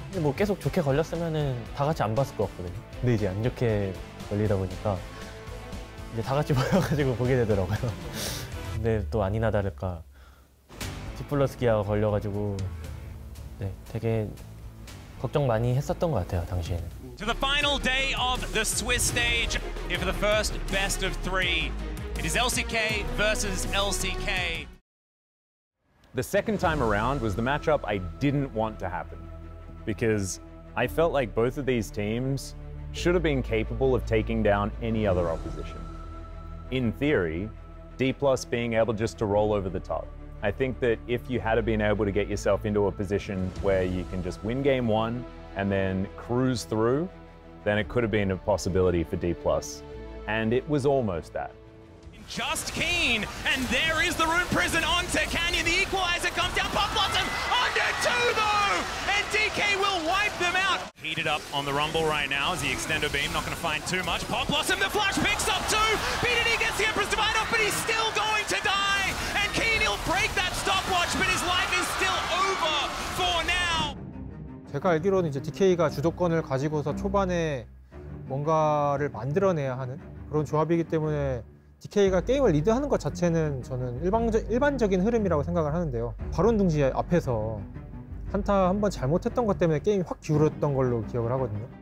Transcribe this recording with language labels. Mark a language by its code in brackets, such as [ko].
[ko] 근데 뭐 계속 좋게 걸렸으면은 다 같이 안 봤을 것 같거든요. 근데 이제 안 좋게 걸리다 보니까 이제 다 같이 모여가지고 보게 되더라고요. 근데 또 아니나 다를까 D+ 기아가 걸려가지고 네 되게 걱정 많이 했었던 것 같아요 당시에는. [en] To the final day of the Swiss stage, here for the first best of three, it is LCK versus LCK. The second time around was the matchup I didn't want to happen because I felt like both of these teams should have been capable of taking down any other opposition. In theory, D plus being able just to roll over the top. I think that if you had been able to get yourself into a position where you can just win game one and then cruise through, then it could have been a possibility for D plus. And it was almost that. Just Keen, and there is the Rune Prison onto Canyon. The equalizer comes down. Pop Blossom under two, though, and DK will wipe them out. Heated up on the Rumble right now as the Extender Beam, not going to find too much. Pop Blossom, the Flash picks up two. BDD gets the Empress Divine off, but he's still going to die. And Keen, he'll break that stopwatch, but his life is still over for now. [ko] 제가 알기로는 이제 DK가 주도권을 가지고서 초반에 뭔가를 만들어내야 하는 그런 조합이기 때문에 DK가 게임을 리드하는 것 자체는 저는 일반적인 흐름이라고 생각을 하는데요. 바론 둥지 앞에서 한타 한번 잘못했던 것 때문에 게임이 확 기울었던 걸로 기억을 하거든요.